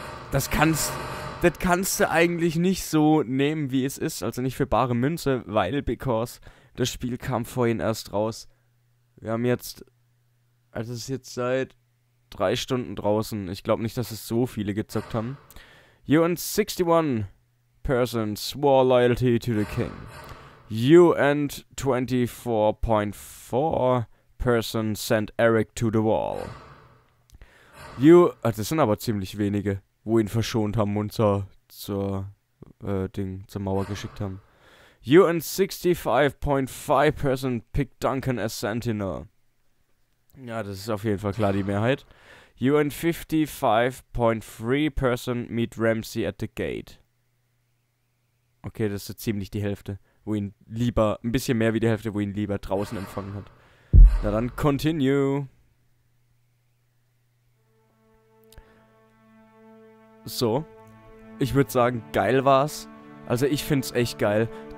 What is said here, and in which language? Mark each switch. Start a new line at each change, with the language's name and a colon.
German: Das kannst du eigentlich nicht so nehmen, wie es ist. Also nicht für bare Münze, weil,
English: because,
German: das Spiel kam vorhin erst raus. Wir haben jetzt... Also es ist jetzt seit 3 Stunden draußen. Ich glaube nicht, dass es so viele gezockt haben.
English: You and 61 persons swore loyalty to the king. You and 24.4 persons sent Eric to the wall. You...
German: Also das sind aber ziemlich wenige, wo ihn verschont haben und zur Mauer geschickt haben.
English: You and 65.5 persons picked Duncan as Sentinel.
German: Ja, das ist auf jeden Fall klar die Mehrheit.
English: You and 55.3 person meet Ramsey at the gate.
German: Okay, das ist so ziemlich die Hälfte, wo ihn lieber, ein bisschen mehr wie die Hälfte, wo ihn lieber draußen empfangen hat. Na dann,
English: continue.
German: So. Ich würde sagen, geil war's. Also ich find's echt geil.